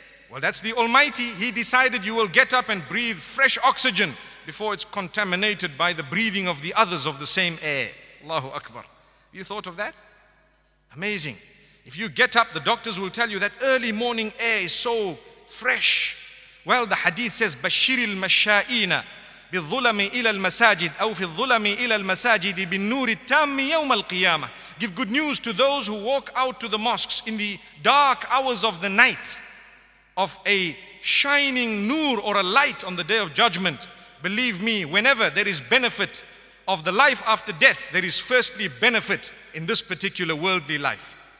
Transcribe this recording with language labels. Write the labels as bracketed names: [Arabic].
[English] Well, that's the Almighty. He decided you will get up and breathe fresh oxygen before it's contaminated by the breathing of the others of the same air. Allahu Akbar. You thought of that? Amazing. If you get up, the doctors will tell you that early morning air is so fresh. Well, the hadith says, [Arabic] بَشِّرِ الْمَشَّائِينَ بِالظُّلَمِ إِلَى الْمَسَاجِدِ أَوْ فِي الظُّلَمِ إِلَى الْمَسَاجِدِ بِالنُّورِ التَّامِّ يَوْمَ الْقِيَامَةِ. [English] Give good news to those who walk out to the mosques in the dark hours of the night, of a shining noor or a light on the day of judgment. Believe me, whenever there is benefit of the life after death, there is firstly benefit in this particular worldly life.